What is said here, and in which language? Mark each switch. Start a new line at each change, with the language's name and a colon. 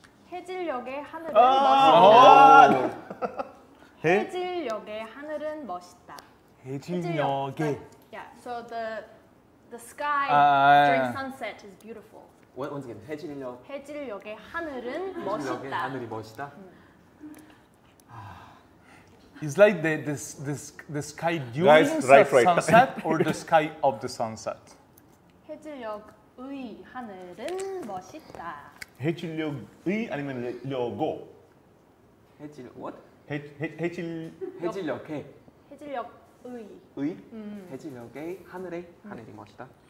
Korean: 해질녘의 하늘은 멋있다. 해질녘의 하늘은 멋있다. 해질녘의.
English: Yeah, so the sky during sunset is beautiful. Once again, 해질녘.
Korean: 해질녘의 하늘은 멋있다. 하늘이 멋있다.
English: It's like the sky during sunset or the sky of the sunset.
Korean: 해질녘의 하늘은 멋있다. 해질녘의 아니면 려고. 해질
English: what?
Korean: 해질 해질녘의. 해질녘의. 해질녘의 하늘의 하늘이 멋있다.